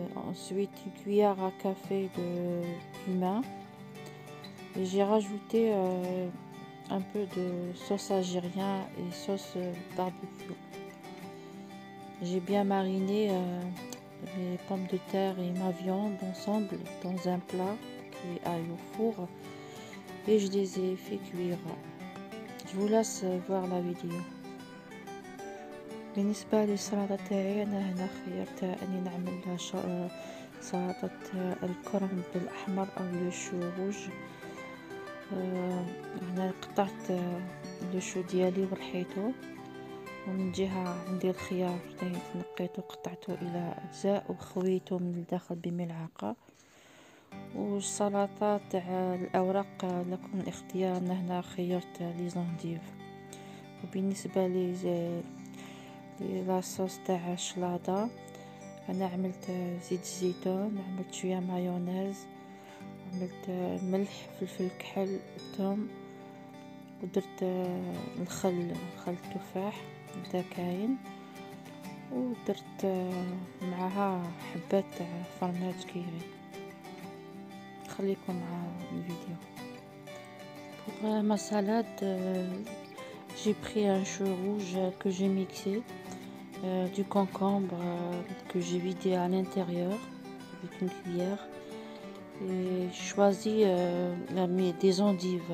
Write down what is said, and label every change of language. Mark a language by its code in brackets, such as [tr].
[fr] Ensuite une cuillère à café de cumin, et j'ai rajouté un peu de sauce algérien et sauce barbecue. J'ai bien mariné mes pommes de terre et ma viande ensemble dans un plat qui aille au four, et je les ai fait cuire. Je vous laisse voir la vidéo. [ar] بالنسبة للسلطة تاعي، أنا هنا خيرت أني نعمل سلطة الكرنب بالأحمر أو لوشو روج. هنا قطعت لوشو ديالي ورحيته، ومن جهة عندي الخيار نقيته وقطعته إلى أجزاء وخويته من الداخل بملعقة. والسلطة تاع الأوراق لكم الاختيار، أنا هنا خيرت ليزونديف. وبالنسبة لي لاصوص تاع الشلاطة، أنا عملت زيت الزيتون، عملت شوية مايونيز، عملت ملح، فلفل كحل، ثوم، ودرت الخل، خل التفاح بدا كاين، ودرت معها حبات تاع فرماج كيري. خليكم مع الفيديو. [fr] Pour ma salade, j'ai pris un chou rouge que j'ai mixé. Du concombre que j'ai vidé à l'intérieur avec une cuillère, et choisi des endives.